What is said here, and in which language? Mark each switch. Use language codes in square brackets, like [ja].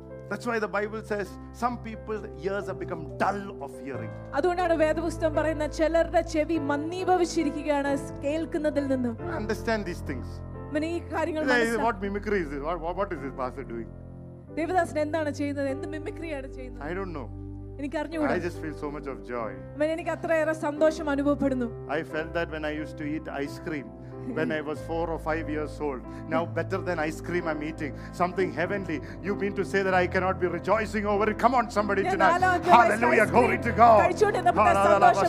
[en] That's why the Bible says some people's ears have become dull of hearing. [ml] അതുകൊണ്ടാണ് വേദപുസ്തകം പറയുന്ന ചിലരുടെ ചെവി മന്ദീഭവിച്ചിരിക്കുകയാണ് കേൾക്കുന്നതിൽ നിന്ന്. [en] Understand these things. [ml] ഈ കാര്യങ്ങൾ മനസ്സിലാക്കുക. [en] What mimicry is this? What is this pastor doing? [ml] Devadasan എന്താണ് ചെയ്യുന്നത്? എന്ത് മിമിക്രിയാണ് ചെയ്യുന്നത്? [en] I don't know. [ml] എനിക്ക് അറിഞ്ഞുകൂടാ. [en] I just feel so much of joy. [ml] എനിക്ക് അത്രയേറെ സന്തോഷം അനുഭവപ്പെടുന്നു. [en] I felt that when I used to eat ice cream when I was 4 or 5 years old. Now better than ice cream I'm eating, something heavenly. You mean to say that I cannot be rejoicing over it? Come on somebody tonight. Hallelujah. Glory to God.